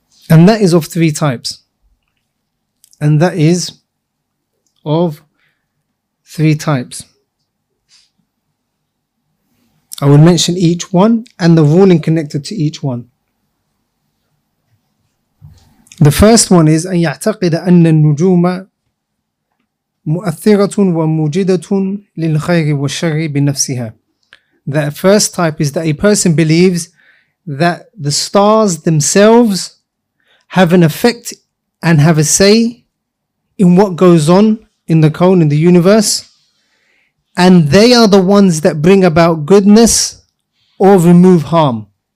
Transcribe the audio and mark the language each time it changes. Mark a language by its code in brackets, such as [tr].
[en] And that is of three types. And that is of three types. I will mention each one and the ruling connected to each one. The first one is [ar] أن يعتقد أن النجوم مؤثرة وموجدة للخير والشر بنفسها. [en] The first type is that a person believes that the stars themselves have an effect and have a say in what goes on in the cone, in the universe, and they are the ones that bring about goodness or remove harm.